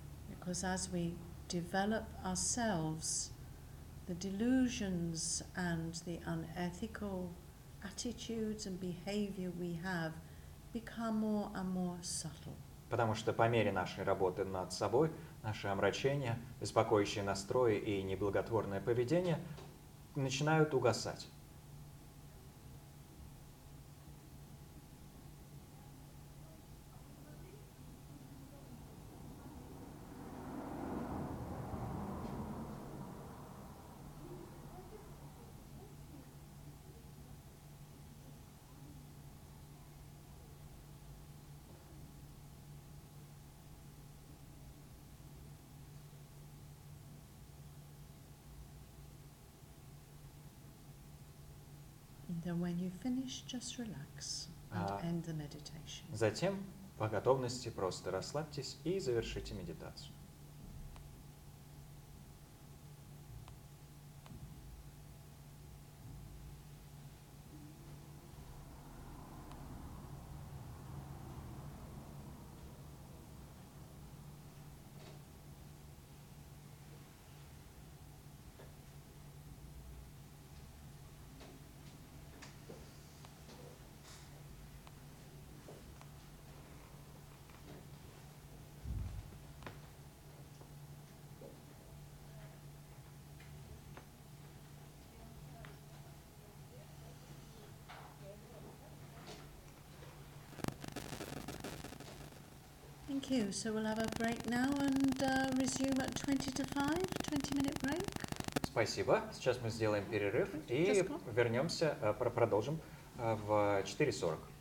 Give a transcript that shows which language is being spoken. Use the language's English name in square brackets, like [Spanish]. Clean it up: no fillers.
[English] Because as we develop ourselves, the delusions and the unethical attitudes and behavior we have become more and more subtle. [Russian] Потому что по мере нашей работы над собой наши омрачения, беспокоящие настрои и неблаготворное поведение начинают угасать. [English] Then when you finish, just relax and end the meditation. [Russian] Затем по готовности просто расслабьтесь и завершите медитацию. [English] Thank you. So we'll have a break now and resume at 20 to 5, 20-minute break. [Russian] Спасибо. Сейчас мы сделаем перерыв и вернемся, продолжим в 4:40.